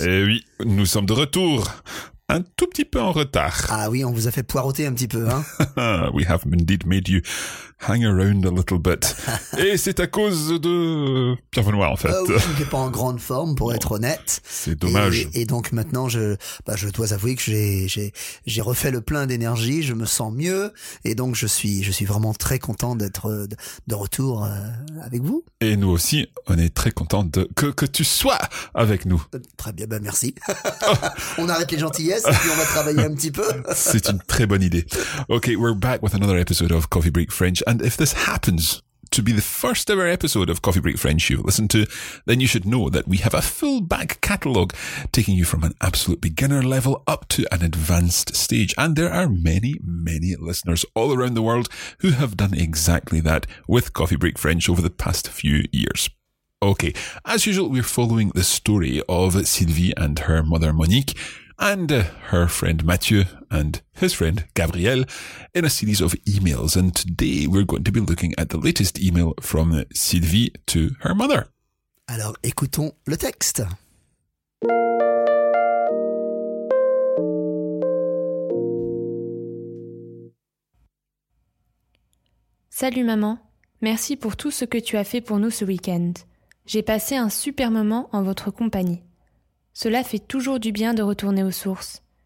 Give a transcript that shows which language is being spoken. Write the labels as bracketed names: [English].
[French] Eh oui, nous sommes de retour. Un tout petit peu en retard. Ah oui, on vous a fait poireauter un petit peu, hein. [English] We have indeed made you hang around a little bit. [French] Et c'est à cause de Pierre Benoît, en fait. Oui, je n'étais pas en grande forme, pour être honnête. C'est dommage. Et donc maintenant, je dois avouer que j'ai refait le plein d'énergie, je me sens mieux. Et donc, je suis vraiment très content d'être de retour avec vous. Et nous aussi, on est très content de que tu sois avec nous. Très bien, ben merci. On arrête les gentillesses et puis on va travailler un petit peu. C'est une très bonne idée. [English] Ok, we're back with another episode of Coffee Break French. And if this happens to be the first ever episode of Coffee Break French you've listened to, then you should know that we have a full back catalogue taking you from an absolute beginner level up to an advanced stage. And there are many, many listeners all around the world who have done exactly that with Coffee Break French over the past few years. Okay, as usual, we're following the story of Sylvie and her mother Monique, and her friend Mathieu and his friend Gabriel in a series of emails. And today we're going to be looking at the latest email from Sylvie to her mother. [French] Alors, écoutons le texte. Salut maman, merci pour tout ce que tu as fait pour nous ce week-end. J'ai passé un super moment en votre compagnie. Cela fait toujours du bien de retourner aux sources.